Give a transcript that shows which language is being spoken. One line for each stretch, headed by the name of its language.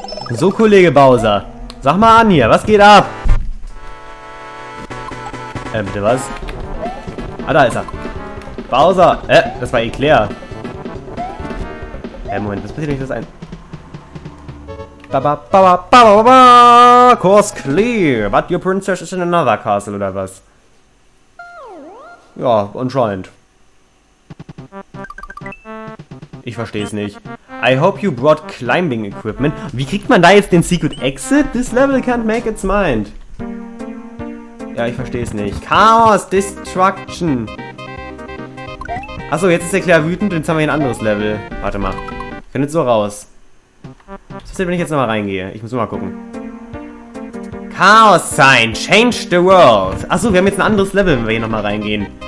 German: So, Kollege Bowser. Sag mal an hier. Was geht ab? Bitte was? Ah, da ist er. Bowser. Das war Eclair. Moment. Was passiert, wenn ich das ein... Ba-ba-ba-ba-ba-ba-ba-ba!
English: Course clear. But your princess is in another castle,
German: oder was? Ja, anscheinend. Ich verstehe es nicht.
English: I hope you brought climbing equipment.
German: Wie kriegt man da jetzt den Secret Exit?
English: This level can't make its mind.
German: Ja, ich verstehe es nicht. Chaos, Destruction. Achso, jetzt ist der Claire wütend und jetzt haben wir hier ein anderes Level. Warte mal. Ich kann jetzt so raus. Was passiert, wenn ich jetzt nochmal reingehe? Ich muss nur mal gucken.
English: Chaos Sign, change the world.
German: Achso, wir haben jetzt ein anderes Level, wenn wir hier nochmal reingehen.